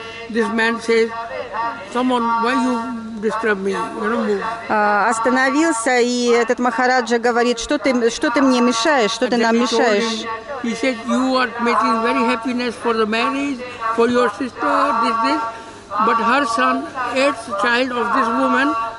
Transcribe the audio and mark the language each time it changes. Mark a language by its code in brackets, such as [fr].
[en] This man says, "Someone, why you disturb me? You don't move." [ru] Остановился и этот махараджа говорит, что ты мне мешаешь, что ты нам мешаешь? [en] He said, "You are making very happiness for the marriage, for your sister, this, but her son, eighth child of this woman."